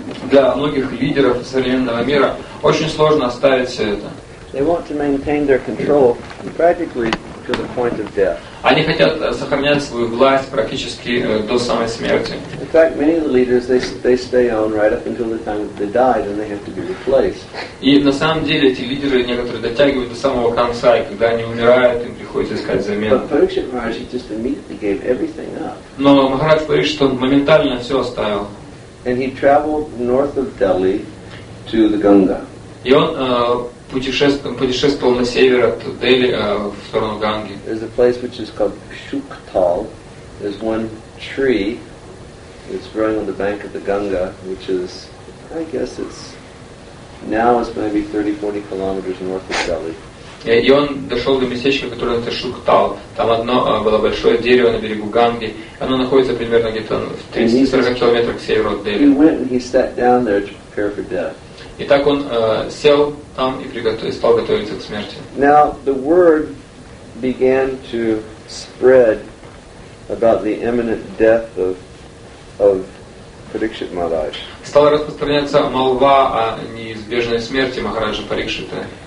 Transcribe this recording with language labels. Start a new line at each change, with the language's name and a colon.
Russian: Для многих лидеров современного мира очень сложно оставить все это.
English: They want to maintain their control practically to the point of death.
Russian: Они хотят сохранять свою власть практически до самой смерти.
English: In fact, many of the leaders they stay on right up until the time they die, then they have to be replaced.
Russian: И на самом деле эти лидеры некоторые дотягивают до самого конца, и когда они умирают, им приходится искать замену.
English: But Parikshit Maharaj just immediately gave everything up.
Russian: Но Махарадж Парикшит он моментально все оставил.
English: And he traveled north of Delhi to the Ganga.
Russian: И он путешествовал на север от Дели в сторону Ганги.
English: There's a place which is called Shuktal. There's one tree that's growing on the bank of the Ganga, which is, I guess it's, now it's maybe 30-40 kilometers north of Delhi.
Russian: И он дошел до местечка, которое называется Шуктал. Там одно было большое дерево на берегу Ганги. Оно находится примерно где-то в 30-40 километрах к северу от Дели.
English: He went and he sat down there to prepare for death.
Russian: И так он сел там и стал готовиться к смерти.
English: Now the word began to spread about the imminent death of Parikshit Maharaj.
Russian: Стала распространяться молва о неизбежной смерти Махараджа Парикшита.